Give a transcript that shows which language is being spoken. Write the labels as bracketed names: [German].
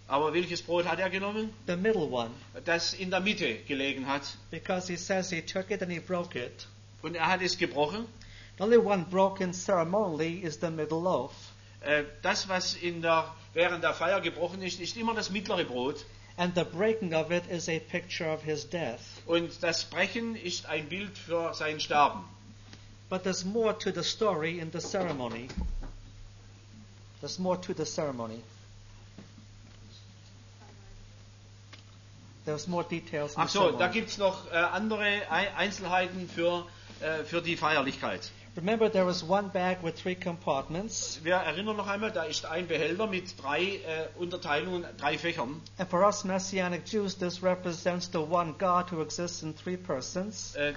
[German] Aber welches Brot hat er genommen? [English] The middle one. [German] Das in der Mitte gelegen hat. [English] Because he says he took it and he broke it. [German] Und er hat es gebrochen. [English] The only one broken ceremonially is the middle loaf. [German] Das, was während der Feier gebrochen ist, ist immer das mittlere Brot. [English] And the breaking of it is a picture of his death. [German] Und das Brechen ist ein Bild für sein Sterben. [English] But there's more to the story in the ceremony. There's more to the ceremony. There's more details. [German] Ach so, da gibt's noch andere Einzelheiten für die Feierlichkeit. [English] Remember, there was one bag with three compartments. [German] Wir erinnern noch einmal, da ist ein Behälter mit drei Unterteilungen, drei Fächern. [English] And for us Messianic Jews, this represents the one God who exists in three persons.